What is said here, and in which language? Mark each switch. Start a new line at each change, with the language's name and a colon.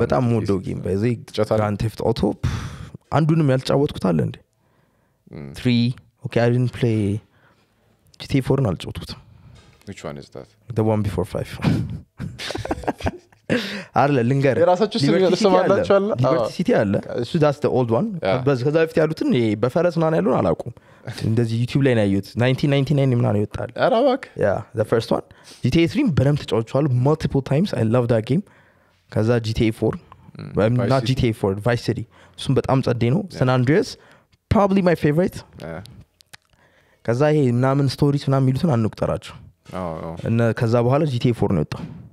Amharic: በጣም ሞዶ ጌም በዚህ ግራንድ ቴፍት ኦቶ አንዱንም ያልጫወትኩት አለ እንዴ 3
English: ኦኬ አይ ዲንት ፕሌይ
Amharic: GTA 4 ነው አልጫወትኩትም
English: which one is that the one before 5
Amharic: አለ ልንገር የራሳችሁ ስለሰማላችሁ አለ ሊበርቲ ሲቲ አለ እሱ
English: ዳስ ዘ ኦልድ ዋን
Amharic: ከዛ በፊት ያሉትን በፈረስ ምናምን ያሉን አላውቁም እንደዚህ ዩቲዩብ ላይ ነው ያዩት 1999 ምናምን ይወጣል ኧረ እባክህ
English: ያ ዘ ፈርስት ዋን
Amharic: GTA 3 በደምብ ተጫውቻለሁ
English: ማልቲፕል ታይምስ አይ ላቭ ዳት ጌም
Amharic: ከዛ GTA 4 ወይምና GTA 4 ቫይስ ሲቲ እሱም በጣም ጸዴ ነው ሳን አንድሪያስ
English: ፕሮባብሊ ማይ ፌቨሪት
Amharic: ከዛ ይሄ ምናምን ስቶሪስ ምናምን ይሉትን አንቁጠራቸው እና ከዛ በኋላ GTA 4 ነው ይወጣል